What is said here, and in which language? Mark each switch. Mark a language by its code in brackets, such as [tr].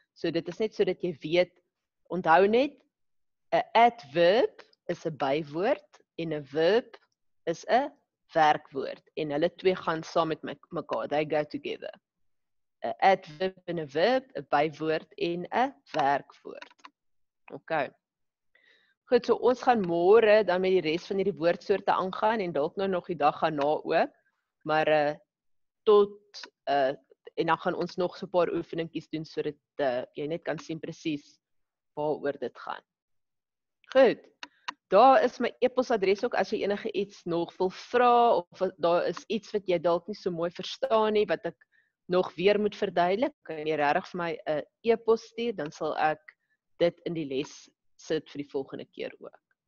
[af] So dit is net sodat jy weet, onthou net 'n adverb is 'n bywoord en 'n verb is 'n werkwoord en hulle twee gaan saam met mekaar. [en] They go together. [af] 'N adverb en 'n verb, 'n bywoord en 'n werkwoord. Okay. Goed, so ons gaan môre dan met die res van hierdie woordsoorte aangaan en dalk nou nog die dag gaan na ook. Maar en dan gaan ons nog so 'n paar oefeningkies doen sodat jy net kan sien presies waaroor dit gaan. Goed. Daar is my e-posadres ook as jy enige iets nog wil vra of daar is iets wat jy dalk nie so mooi verstaan nie wat ek nog weer moet verduidelik, kan jy regtig vir my 'n e-pos stuur, dan sal ek dit in die les sit vir die volgende keer ook.